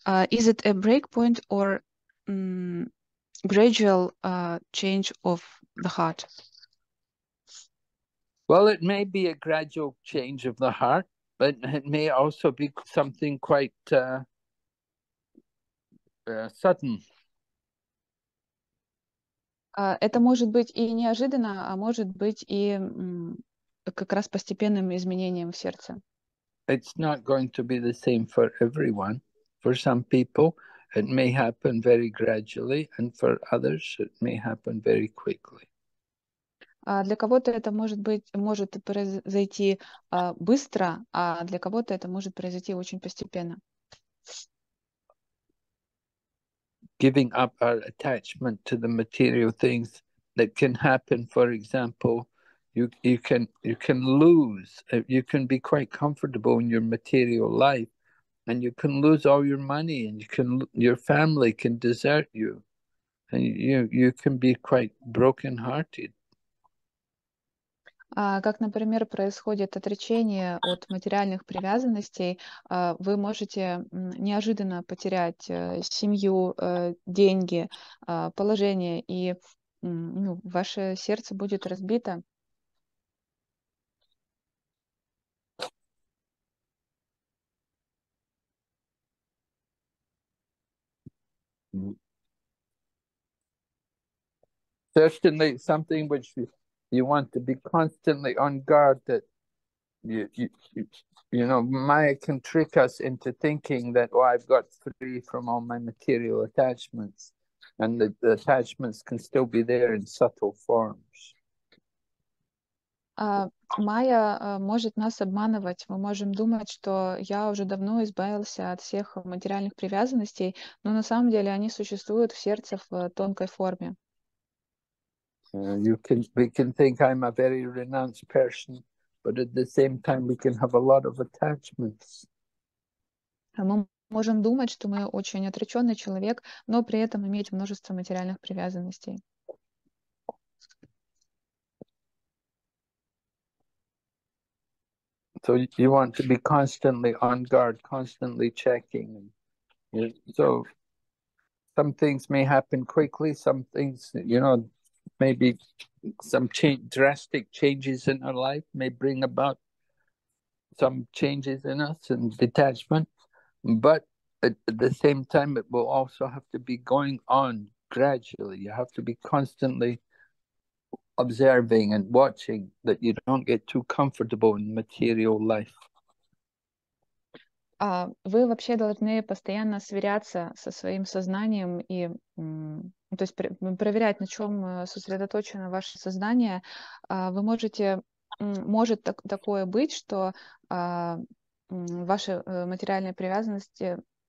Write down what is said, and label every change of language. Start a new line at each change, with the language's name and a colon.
English: Is it a breakpoint or gradual change of the heart? Well, it may be a gradual change of the heart, but it may also be something quite sudden.
Russian: Это может быть и неожиданно, а может быть и как раз постепенным изменением в сердце.
English: It's not going to be the same for everyone. For some people, it may happen very gradually, and for others, it may happen very quickly.
Russian: Для кого-то это может быть, может произойти быстро, а для кого-то это может произойти очень постепенно.
English: Giving up our attachment to the material things that can happen, for example, you can lose, you can be quite comfortable in your material life, and you can lose all your money, and you can, your family can desert you, and you can be quite broken-hearted.
Russian: Как, например, происходит отречение от материальных привязанностей, вы можете неожиданно потерять семью, деньги, положение, и ну, ваше сердце будет разбито.
English: Certainly something which you want to be constantly on guard, that you know, Maya can trick us into thinking that, oh, I've got free from all my material attachments, and the attachments can still be there in subtle forms.
Russian: Майя может нас обманывать. Мы можем думать, что я уже давно избавился от всех материальных привязанностей, но на самом деле они существуют в сердце в тонкой форме.
English: We can think I'm a very renounced person, but at the same time we can have a lot of attachments.
Russian: Мы можем думать, что мы очень отреченный человек, но при этом иметь множество материальных привязанностей.
English: So you want to be constantly on guard, constantly checking. So some things may happen quickly, some things, you know, maybe some drastic changes in our life may bring about some changes in us and detachment, but at the same time, it will also have to be going on gradually. You have to be constantly observing and watching that you don't get too comfortable in material life.
Russian: Вы вообще должны постоянно сверяться со своим сознанием и то есть проверять, на чем сосредоточено ваше сознание, вы можете, может так, такое быть, что ваши материальные привязанности